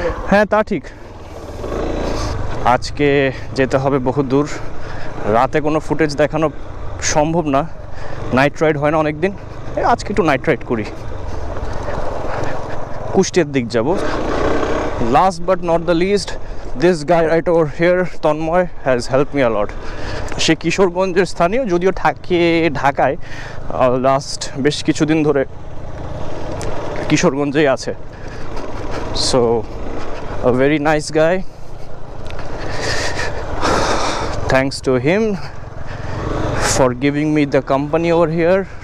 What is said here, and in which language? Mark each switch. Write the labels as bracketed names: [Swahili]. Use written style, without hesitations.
[Bangla] হ্যাঁ তা ঠিক, আজকে যেতে হবে বহু দূর। রাতে কোনো ফুটেজ দেখানো সম্ভব না, নাইট রাইড হয় না অনেকদিন, আজকে একটু নাইট রাইড করি। কুষ্টের দিক যাব। [English] Last but not the least, this guy right over here, Tonmoy, has helped me a lot. [Bangla] সে কিশোরগঞ্জের স্থানীয়, যদিও থাকে ঢাকায়, লাস্ট বেশ কিছুদিন ধরে কিশোরগঞ্জেই আছে। [English] So a very nice guy, thanks to him for giving me the company over here.